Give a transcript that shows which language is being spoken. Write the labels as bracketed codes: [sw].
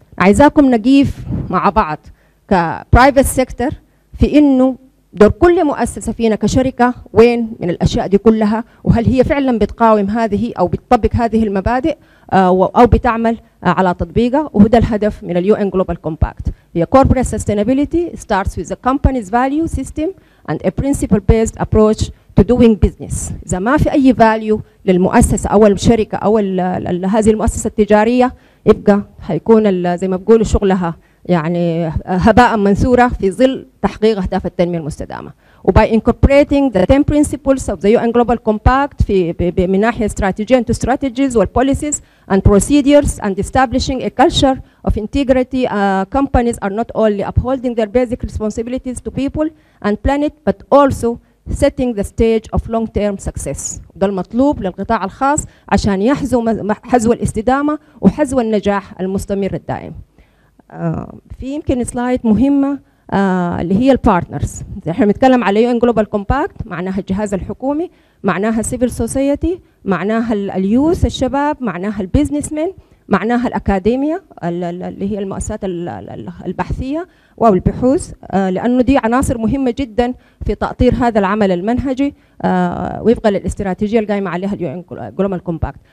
[ar] عايزاكم نقيف مع بعض كبرايفت سيكتر في إنه دور كل مؤسسة فينا كشركة وين من الأشياء دي كلها، وهل هي فعلا بتقاوم هذه أو بتطبق هذه المبادئ أو بتعمل على تطبيقها. وهذا الهدف من الـ UN Global Compact. [en] The corporate sustainability starts with the company's value system and a principle-based approach to doing business. [ar] إذا ما في أي value للمؤسسة أو الشركة أو هذه المؤسسة التجارية، يبقى هيكون زي ما بقولوا شغلها يعني هباء منثورة في ظل تحقيق أهداف التنمية المستدامة. [en] وباي incorporating the 10 principles of the UN Global Compact [ar] في من ناحية استراتيجية [en] into strategies and policies and procedures and establishing a culture of integrity, companies are not only upholding their basic responsibilities to people and planet but also setting the stage of long-term success. [ar] ده المطلوب للقطاع الخاص عشان يحذو حذو الاستدامة وحذو النجاح المستمر الدائم. في يمكن سلايد مهمة اللي هي البارتنرز. احنا بنتكلم على UN Global Compact، معناها الجهاز الحكومي، معناها سيفل سوسايتي، معناها اليوث الشباب، معناها البيزنسمن، معناها الأكاديمية اللي هي المؤسسات البحثية أو البحوث، لأنه دي عناصر مهمة جدا في تأطير هذا العمل المنهجي وفقا للاستراتيجية القائمة عليها الـ UN Global Compact.